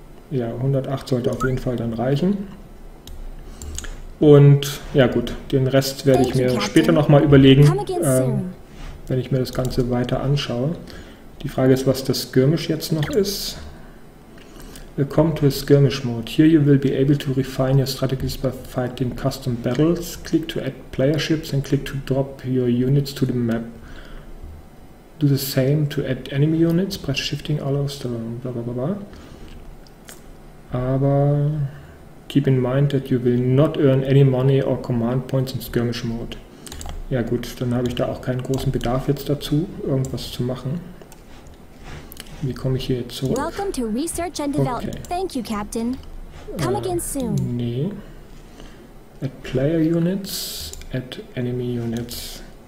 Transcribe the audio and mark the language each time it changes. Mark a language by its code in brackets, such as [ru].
[de] Ja, 108 sollte auf jeden Fall dann reichen. Und ja gut, den Rest werde ich mir später nochmal überlegen, wenn ich mir das Ganze weiter anschaue. Die Frage ist, was das Skirmish jetzt noch ist. [en] Welcome to a skirmish mode. Here you will be able to refine your strategies by fighting custom battles. Click to add player ships and click to drop your units to the map. Do the same to add enemy units. Press shifting allows the blah blah blah. Aber keep in mind that you will not earn any money or command points in skirmish mode. [de] Ja gut, dann habe ich da auch keinen großen Bedarf jetzt dazu, irgendwas zu machen. Wie komme ich hier jetzt zurück? [en] Welcome to research and development. Okay. Thank you, Captain. Come again soon. Nee. Add player units, add enemy units.